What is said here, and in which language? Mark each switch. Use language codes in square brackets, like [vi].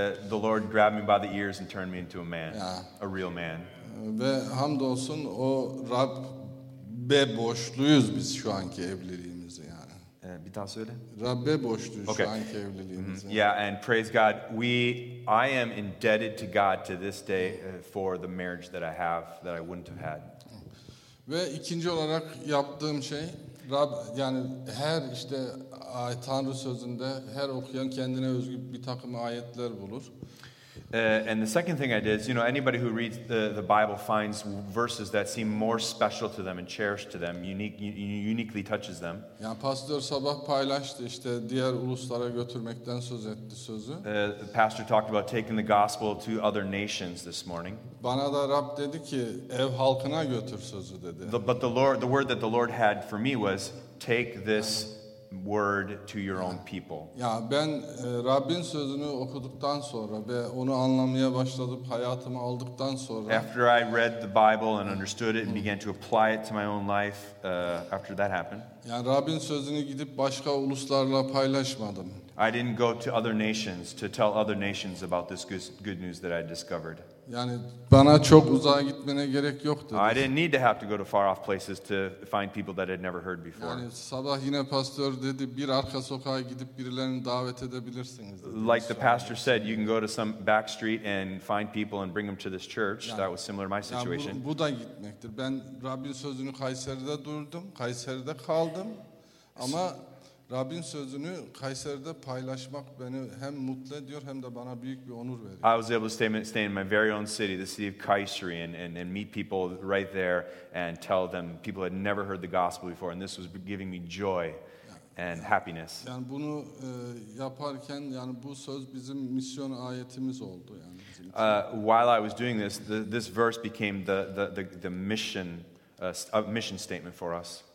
[en] The Lord grabbed me by the ears and turned me into a man. A real man. [tr] Ve hamdolsun o Rab'be boşluyuz biz şu anki evliliğimizi yani. Bir daha söyle. Rab'be boşluyuz şu anki evliliğimizi. [en] Mm-hmm. Yeah, and praise God. I am indebted to God to this day for the marriage that I have that I wouldn't have had. [tr] Ve ikinci olarak yaptığım şey Rab, yani her işte Tanrı sözünde her okuyan kendine özgü bir takım ayetler bulur. [en] And the second thing I did is, you know, anybody who reads the Bible finds verses that seem more special to them and cherished to them, uniquely touches them. [tr] Yani pastor sabah paylaştı işte diğer uluslara götürmekten söz etti sözü. [en] The pastor talked about taking the gospel to other nations this morning. [tr] Bana da Rab dedi ki ev halkına götür sözü dedi. [en] But the word that the Lord had for me was take this word to your own people. [tr] Ya ben Rabbin sözünü okuduktan sonra ve onu anlamaya başladım, hayatıma aldıktan sonra. [en] After I read the Bible and understood it and began to apply it to my own life, after that happened. [tr] Yani Rabbin sözünü gidip başka uluslarla paylaşmadım. [en] I didn't go to other nations to tell other nations about this good news that I discovered. [tr] Yani bana çok uzağa gitmene gerek yoktu. [en] I didn't need to have to go to far off places to find people that I'd never heard before. [tr] Yani sabah yine pastör dedi bir arka sokağa gidip birilerini davet edebilirsiniz. [en] Like the pastor said, you can go to some back street and find people and bring them to this church. Yani, that was similar to my situation. [tr] Yani bu da gitmektir. Ben Rabbin sözünü Kayseri'de durdum, Kayseri'de kaldım. Ama Rabbin sözünü Kayseri'de paylaşmak beni hem mutlu ediyor hem de bana büyük bir onur veriyor. [en] I was able to stay in my very own city, the city of Kayseri, and meet people right there and tell them people had never heard the gospel before, and this was giving me joy and happiness. [tr] Yani bunu yaparken yani bu söz bizim misyon ayetimiz oldu yani. [en] While I was doing this, this verse became the mission mission statement for us.